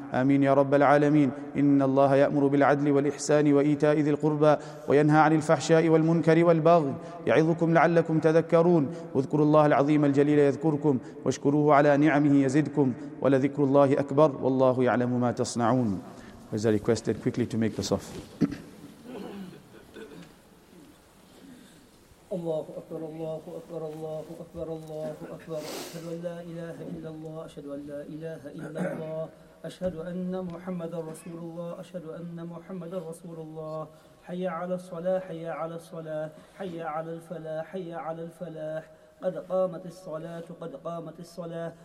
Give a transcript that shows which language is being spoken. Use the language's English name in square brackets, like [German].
[Arabic] آمين يا رب العالمين. إن الله يأمر بالعدل والإحسان وإيتاء ذي القربى وينهى عن الفحشاء والمنكر والبغي يعظكم لعلكم تذكرون. واذكروا الله العظيم الجليل يذكركم، واشكروه على نعمه يزدكم، ولذكر الله أكبر، والله يعلم ما تصنعون. [English] As I requested, quickly to make this off. [Arabic] الله أكبر، الله أكبر، الله أكبر، الله أكبر، أشهد أن لا إله إلا الله، أشهد أن لا إله إلا الله، أشهد أن محمد رسول الله، أشهد أن محمد رسول الله. حي على الصلاة، حي على الصلاة، حي على الفلاح، حي على الفلاح، قد قامت الصلاة، قد قامت الصلاة.